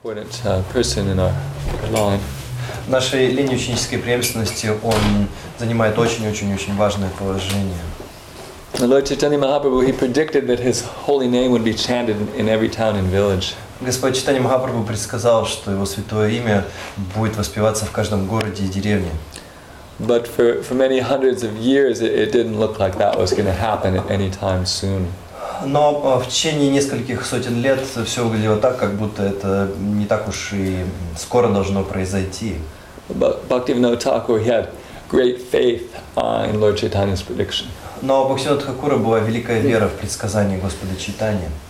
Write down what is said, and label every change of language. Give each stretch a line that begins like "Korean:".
Russian: В нашей линии ученической преемственности он занимает очень-очень-очень важное положение.
English: Lord Chaitanya Mahaprabhu, he predicted that his holy name would be chanted in every town and village.
Russian: Господь Чайтанья Махапрабху предсказал, что его святое имя будет воспеваться в каждом городе и деревне.
English: But for many hundreds of years, it didn't look like that was going to happen at any time soon.
Russian: Но в течение нескольких сотен лет все выглядело так, как будто это не так уж и скоро должно произойти.
English: Бхактивинода Тхакура, he had great faith in Lord Chaitanya's prediction.
Russian: Но у Бхактивинода Тхакура была великая вера в предсказание Господа Чайтаньи.